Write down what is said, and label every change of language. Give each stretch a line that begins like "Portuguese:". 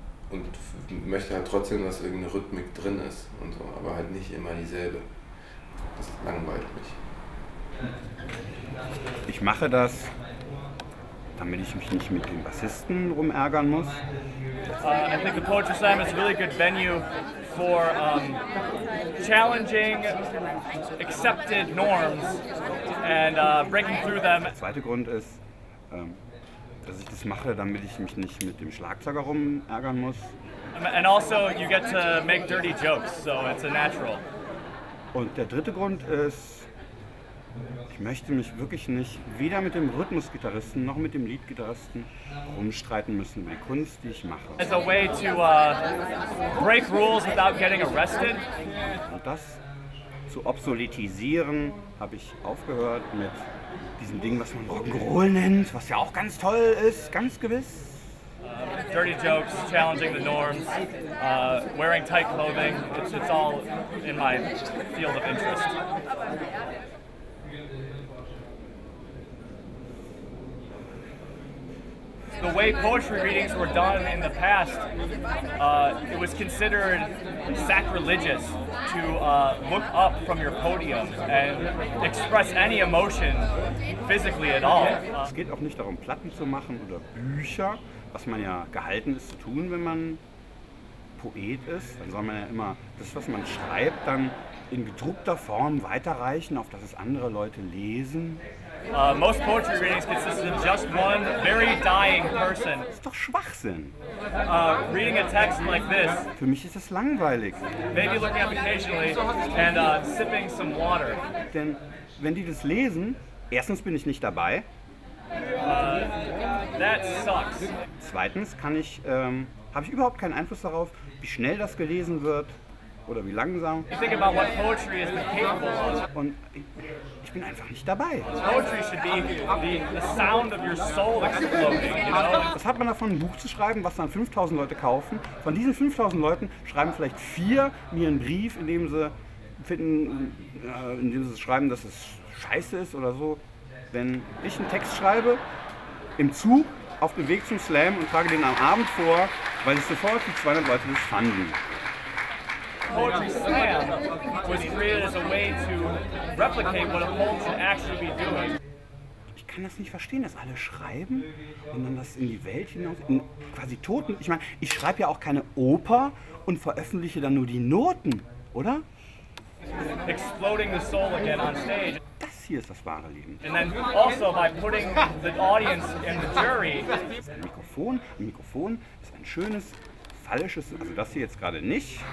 German: Und möchte halt trotzdem, dass irgendeine Rhythmik drin ist und so, aber halt nicht immer dieselbe. Das langweilt mich. Ich mache das, damit ich mich nicht mit dem Bassisten rumärgern muss.
English: I think the Poetry Slam is a really good venue for challenging accepted norms and breaking through them.
German: Der zweite Grund ist, dass ich das mache, damit ich mich nicht mit dem Schlagzeuger rumärgern muss.
English: And also you get to make dirty jokes, so it's a natural.
German: Und der dritte Grund ist, ich möchte mich wirklich nicht weder mit dem Rhythmusgitarristen noch mit dem Leadgitarristen rumstreiten müssen über die Kunst, die ich mache.
English: As a way to break rules without getting arrested.
German: Und das zu obsoletisieren, habe ich aufgehört mit diesem Ding, was man Rock'n'Roll nennt, was ja auch ganz toll ist, ganz gewiss.
English: Dirty jokes, challenging the norms, wearing tight clothing, it's all in my field of interest. The way poetry readings were done in the past, it was considered sacrilegious to look up from your podium and express any emotion physically at all.
German: Es geht auch nicht darum, Platten zu machen oder Bücher, was man ja gehalten ist zu tun, wenn man Poet ist. Dann soll man ja immer das, was man schreibt, dann in gedruckter Form weiterreichen, auf dass es andere Leute lesen.
English: Most poetry readings consist of just one very dying person.
German: Das ist doch Schwachsinn.
English: Reading a text like this.
German: Für mich ist das langweilig.
English: Maybe looking up occasionally and sipping some water.
German: Denn wenn die das lesen, erstens bin ich nicht dabei.
English: That sucks.
German: Zweitens habe ich überhaupt keinen Einfluss darauf, wie schnell das gelesen wird oder wie langsam.
English: You think about what poetry is capable of.
German: Und ich bin einfach nicht dabei.
English: Poetry should be the sound of your soul exploding, you know?
German: Was hat man davon, ein Buch zu schreiben, was dann 5000 Leute kaufen? Von diesen 5000 Leuten schreiben vielleicht 4 mir einen Brief, in dem sie schreiben, dass es scheiße ist oder so. Wenn ich einen Text schreibe, im Zug, auf dem Weg zum Slam und trage den am Abend vor, weil es sofort die 200 Leute das fanden.
English: Poetry Slam was created as a way to replicate what a poem should actually be doing.
German: Ich kann das nicht verstehen, dass alle schreiben und dann das in die Welt hinaus, in quasi Toten. Ich meine, ich schreibe ja auch keine Oper und veröffentliche dann nur die Noten, oder?
English: Exploding the soul again on stage.
German: Das hier ist das wahre Leben.
English: And then also by putting the audience in the jury.
German: Ein Mikrofon ist ein schönes, falsches, also das hier jetzt gerade nicht.